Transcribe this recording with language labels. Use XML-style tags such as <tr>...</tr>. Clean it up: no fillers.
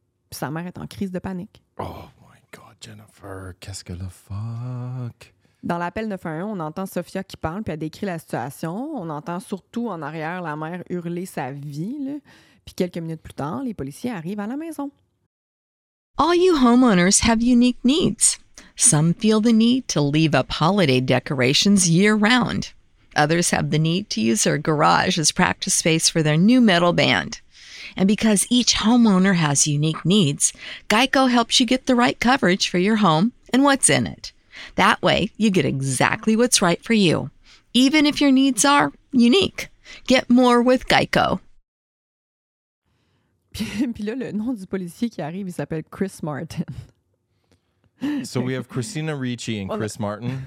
<fr>Puis sa mère est en crise de panique.</fr> <en>Oh my God,</en> <fr>Jennifer, qu'est-ce que le fuck? Dans l'appel 911, on entend Sophia qui parle, puis elle décrit la situation. On entend surtout en arrière la mère hurler sa vie, là. Puis quelques minutes plus tard, les policiers arrivent à la maison.</fr> <en>All you homeowners have unique needs. Some feel the need to leave up holiday decorations year-round. Others have the need to use their garage as practice space for their new metal band. And because each homeowner has unique needs, GEICO helps you get the right coverage for your home and what's in it. That way, you get exactly what's right for you, even if your needs are unique. Get more with GEICO.</en> <fr>Puis là, le nom du policier qui arrive, il s'appelle Chris Martin.</fr> <en>So we have Christina Ricci and Chris Martin.</en>